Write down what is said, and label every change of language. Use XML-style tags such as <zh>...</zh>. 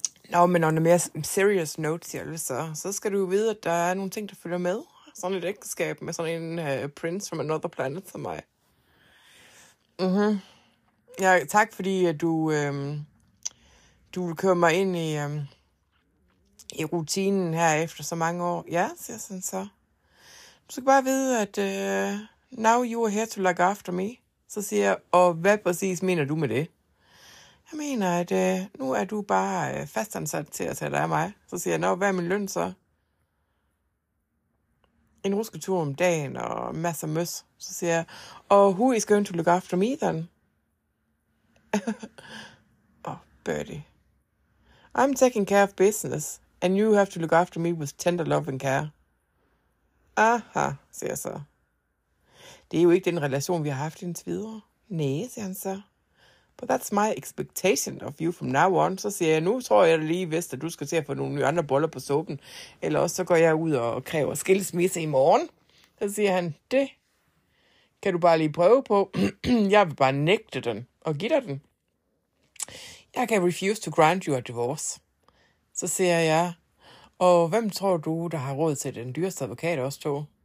<da>Nå, men under mere serious notes, siger jeg, så skal du vide, at der er nogle ting, der følger med. Sådan et ægteskab med sådan en</da> <en>prince from another planet</en> <da>som mig. Mhm. Ja, tak fordi at du kører mig ind i rutinen her efter så mange år. Ja, siger sådan så. Du skal bare vide, at</da> <en>now you are here to look after me.</en> <da>Så siger jeg, og hvad præcis mener du med det? Jeg mener, at nu er du bare fastansat til at tage dig af mig. Så siger jeg, nå, hvad er min løn så? En rusketur om dagen og masser møs. Så siger jeg, og</da> <en>who is going to look after me then? Oh, birdie. I'm taking care of business, and you have to look after me with tender love and care.</en> <da>Aha, siger jeg så. Det er jo ikke den relation, vi har haft indtil videre. Næh, siger han så.</da> <en>But that's my expectation of you from now on.</en> <da>Så siger jeg, nu tror jeg lige vist, at du skal til at få nogle nye andre boller på soppen. Eller også så går jeg ud og kræver skilsmisse i morgen. Så siger han, det kan du bare lige prøve på. Jeg vil bare nægte den og give dig den. Jeg kan</da> <en>refuse to grant you a divorce.</en> <da>Så siger jeg, og hvem tror du, der har råd til den dyreste advokat også to?</da>